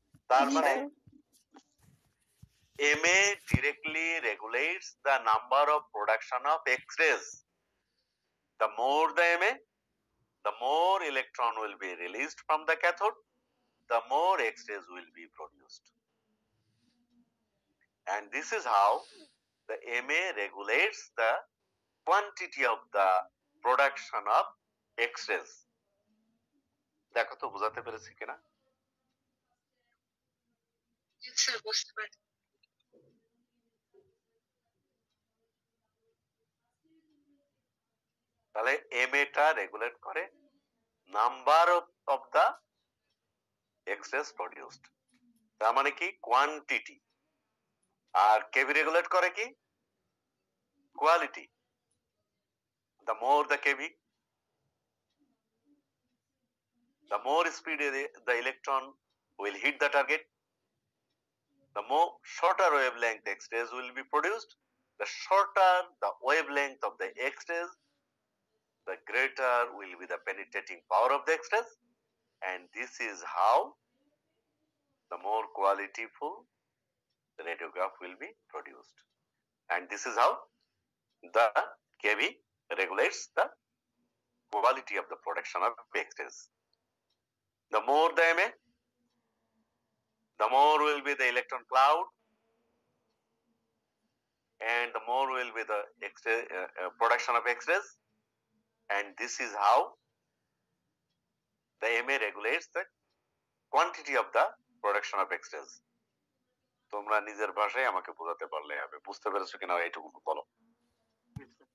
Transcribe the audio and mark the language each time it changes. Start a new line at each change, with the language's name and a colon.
Bangla: তার মানে
English: M A directly regulates the number of production of X-rays, the more the M A the more electron will be released from the cathode, the more X-rays will be produced. And this is how the MA regulates the quantity of the production of X-rays.
Bangla: দেখো তো বুঝাতে পেরেছি কিনা? তাহলে MA টা regulate করে
English: number of the X-rays produced,
Bangla: তার মানে কি কোয়ান্টিটি। আর কেভি রেগুলেট করে কি quality,
English: The more the kV. the more speed the electron will hit the target, the more shorter wavelength X-rays will be produced. The shorter the wavelength of the X-rays, the greater will be the penetrating power of the X-rays. And this is how the more qualityful the radiograph will be produced. And this is how the KV regulates the quality of the production of X-rays. The more the MA, the more will be the electron cloud, and the more will be the production of X-rays. And this is how the MA regulates the quantity of the production of X-rays.
Bangla: তোমরা নিজের ভাষায় আমাকে বোঝাতে পারলে হবে, বুঝতে পেরেছো কিনা এইটুকু বলো। জি স্যার।